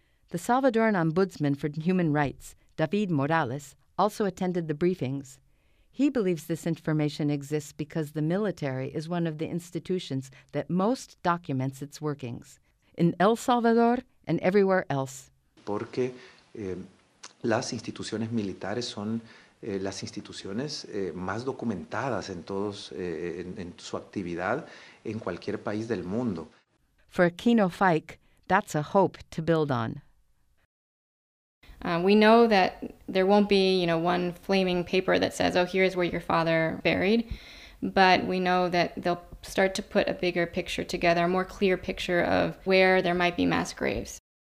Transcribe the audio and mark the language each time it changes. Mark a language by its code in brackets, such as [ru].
[en] The Salvadoran Ombudsman for Human Rights, David Morales, also attended the briefings. He believes this information exists because the military is one of the institutions that most documents its workings, in El Salvador and everywhere else. [es] Porque las instituciones militares son las instituciones más documentadas en todos en su actividad en cualquier país del mundo. [en] For Aquino Fike, that's a hope to build on. We know that there won't be, you know, one flaming paper that says, "Oh, here's where your father buried," but we know that they'll start to put a bigger picture together, a more clear picture of where there might be mass graves.